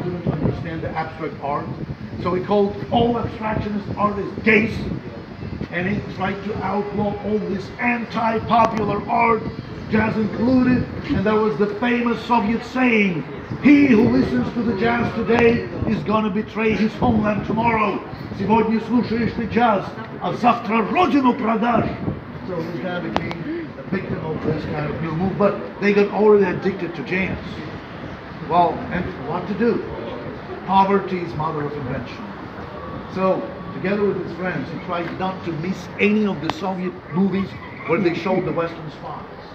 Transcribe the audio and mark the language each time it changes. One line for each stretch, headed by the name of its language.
English: He couldn't understand the abstract art. So he called all abstractionist artists gays, and he tried to outlaw all this anti-popular art, jazz included. And there was the famous Soviet saying, he who listens to the jazz today is gonna betray his homeland tomorrow.
Russian: Сегодня слушаешь ты джаз, а завтра родину продашь.
English: So this guy became a victim of this kind of new move, but they got already addicted to jazz. Well, and what to do? Poverty is mother of invention. So, together with his friends, he tried not to miss any of the Soviet movies where they showed the Western spies.